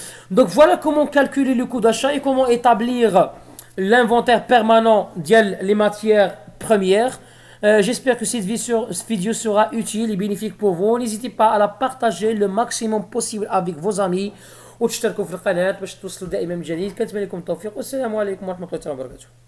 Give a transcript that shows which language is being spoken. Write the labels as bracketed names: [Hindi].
[French] دونك فوالا كومون كالكولي لو كو داشا اي كومون ايتابليغ l'inventaire permanent ديال لي ماتيير بروميير. J'espère que cette vidéo sera utile et bénéfique pour vous. N'hésitez pas à la partager le maximum possible avec vos amis ou [Arabic] تشتركوا في القناة باش توصلوا دائما بجديد. كنتمنى لكم التوفيق والسلام عليكم ورحمة الله وبركاته.